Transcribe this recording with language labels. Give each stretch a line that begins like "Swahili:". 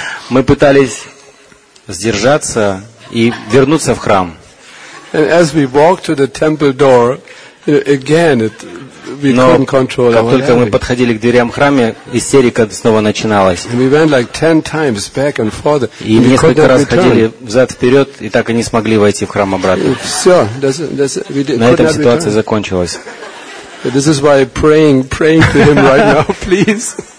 Russian: Мы пытались сдержаться и вернуться в храм.
English: And as we walked to the temple door, again, we couldn't control our
Russian: anger. Но как только мы подходили к дверям храма, истерика снова начиналась.
English: And we went like 10 times back and forth.
Russian: И несколько раз ходили взад вперед и так и не смогли войти в храм обратно. Все, на этом ситуация закончилась.
English: This is why praying to him right now, please.